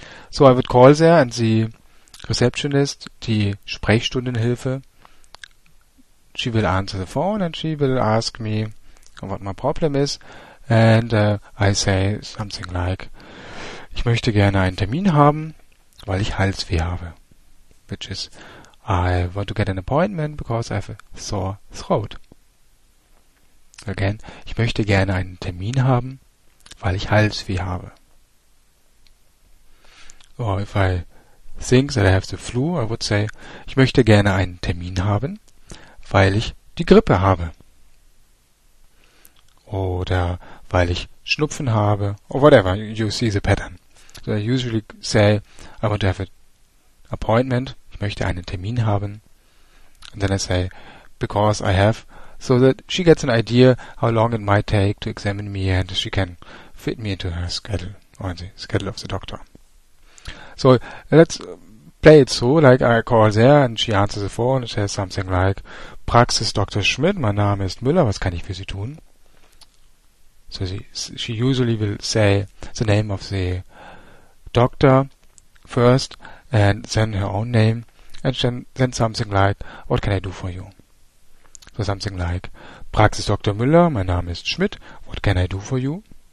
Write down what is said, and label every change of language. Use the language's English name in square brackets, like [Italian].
[English] So I would call there and the receptionist, die Sprechstundenhilfe, she will answer the phone and she will ask me what my problem is. And I say something like, [German] ich möchte gerne einen Termin haben, weil ich Halsweh habe. [English] Which is, I want to get an appointment because I have a sore throat. Again, [German] ich möchte gerne einen Termin haben, weil ich Halsweh habe. [English] Or if I think that I have the flu, I would say, [German] ich möchte gerne einen Termin haben, weil ich die Grippe habe. Oder weil ich Schnupfen habe, [English] or whatever, you see the pattern. So I usually say, I want to have an appointment, [German] ich möchte einen Termin haben. [English] And then I say, because I have, so that she gets an idea how long it might take to examine me and she can fit me into her schedule, or the schedule of the doctor. So let's play it so, like I call there and she answers the phone and says something like, Praxis Dr. [German] Schmidt, mein Name ist Müller, was kann ich für Sie tun? [English] So she usually will say the name of the doctor first and then her own name and then something like, what can I do for you? So something like, Praxis Dr. Müller, [German] mein Name ist Schmidt, [English] what can I do for you?